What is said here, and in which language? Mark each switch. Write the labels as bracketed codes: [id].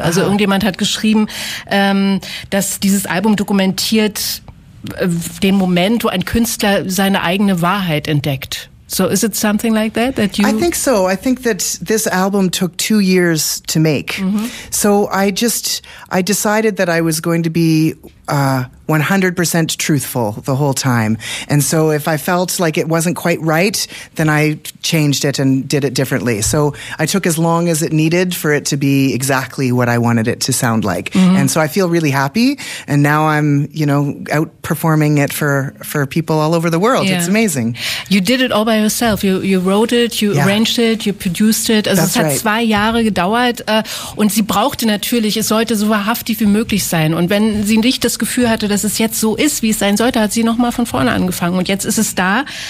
[de] Also irgendjemand hat geschrieben, dass dieses Album dokumentiert den Moment, wo ein Künstler seine eigene Wahrheit entdeckt. [en] So is it something like that? That you? I think so. I think that this album took 2 years to make. Mm-hmm. So I decided that I was going to be 100% truthful the whole time. And so if I felt like it wasn't quite right, then I changed it and did it differently. So I took as long as it needed for it to be exactly what I wanted it to sound like. Mm-hmm. And so I feel really happy. And now I'm, you know, out performing it for people all over the world. Yeah. It's amazing. You did it all by yourself. You wrote it, you arranged it, you produced it. [de] Also es hat 2 Jahre gedauert. Und sie brauchte natürlich, es sollte so wahrhaftig wie möglich sein. Und wenn sie nicht das Gefühl hatte, dass es jetzt so ist, wie es sein sollte, hat sie noch mal von vorne angefangen. Und jetzt ist es da.